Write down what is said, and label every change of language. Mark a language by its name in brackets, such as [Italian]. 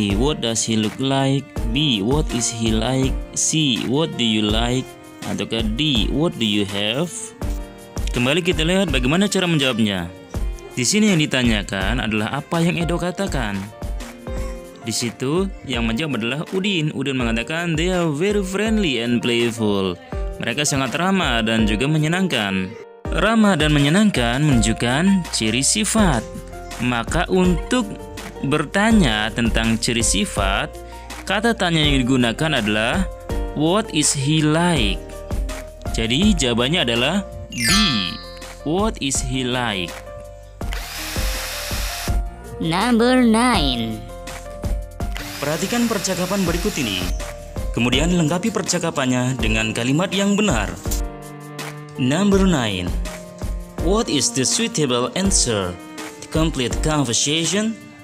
[English] What does he look like? B. What is he like? C. What do you like? [Indonesian] Ataukah [English] D. What do you have? [Indonesian] Kembali kita lihat bagaimana cara menjawabnya. Di sini yang ditanyakan adalah apa yang Edo katakan. Di situ yang menjawab adalah Udin. Udin mengatakan [English] they are very friendly and playful. [Indonesian] Mereka sangat ramah dan juga menyenangkan. Ramah dan menyenangkan menunjukkan ciri sifat. Maka untuk bertanya tentang ciri sifat, kata tanya yang digunakan adalah [English] What is he like? [Indonesian] Jadi jawabannya adalah B. [English] What is he like? Number 9. [Indonesian] Perhatikan percakapan berikut ini. Kemudian lengkapi percakapannya dengan kalimat yang benar. [English] Number 9. What is the suitable answer to complete conversation?